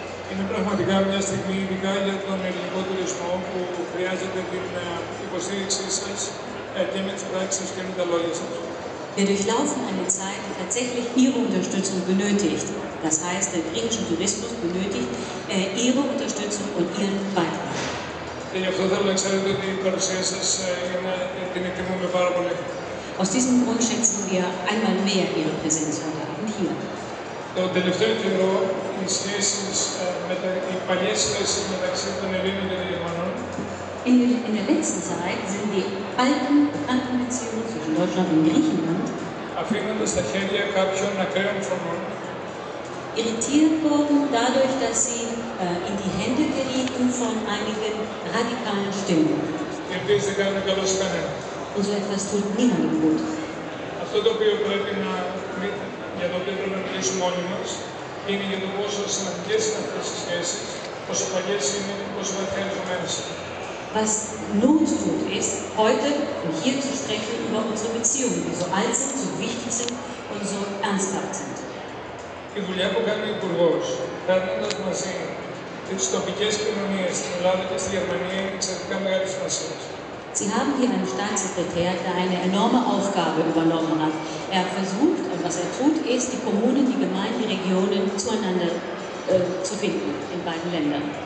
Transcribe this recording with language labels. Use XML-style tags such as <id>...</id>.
<el>Είναι πραγματικά μια στιγμή, ειδικά για τον ελληνικό τουρισμό, που χρειάζεται την υποστήριξή σας και με τις πράξεις και με τα λόγια σας.</el> <de>Wir durchlaufen eine Zeit, die tatsächlich Ihre Unterstützung benötigt. Das heißt, der griechische Tourismus benötigt Ihre Unterstützung und Ihren Beitrag.</de> <el>Και γι' αυτό θέλω να ξέρετε ότι η παρουσία σας την εκτιμούμε πάρα πολύ.</el> <de>Aus diesem Grund schätzen wir einmal mehr Ihre Präsenz heute Abend hier.</de> <el>Το τελευταίο καιρό οι σχέσεις, οι παλιές σχέσεις μεταξύ των Ελλήνων και των Γερμανών.</el> <de>In der letzten Zeit sind die alten bekannten Beziehungen zwischen Deutschland und Griechenland</de> <el>αφήνοντας τα χέρια κάποιων ακραίων φωνών</el> <de>irritiert worden dadurch, dass sie in die Hände gerieten von einigen radikalen Stimmen.</de> <el>Και επίσης δεν κάνουν καλώς κανένα.</el> <de>Und so etwas tut niemandem gut.</de> <el>Αυτό το οποίο πρέπει να για το οποίο πρέπει να μιλήσουμε όλοι μας, είναι για το πόσο σημαντικές είναι αυτές οι σχέσεις, πόσο παλιές είναι, πόσο βαθιά ενδεδομένες.</el> <de>Was nun zu tun ist, heute und hier zu sprechen über unsere Beziehungen, die so alt sind, so wichtig sind und so ernsthaft sind.</de> <el>Η δουλειά που κάνει ο Υπουργός, παίρνοντας μαζί τις τοπικές κοινωνίες στην Ελλάδα και στη Γερμανία, είναι εξαιρετικά μεγάλη σημασία.</el> <de>Sie haben hier einen Staatssekretär, der eine enorme Aufgabe übernommen hat. Er versucht, und was er tut, ist, die Kommunen, die Gemeinden, die Regionen zueinander zu finden in beiden Ländern.</de>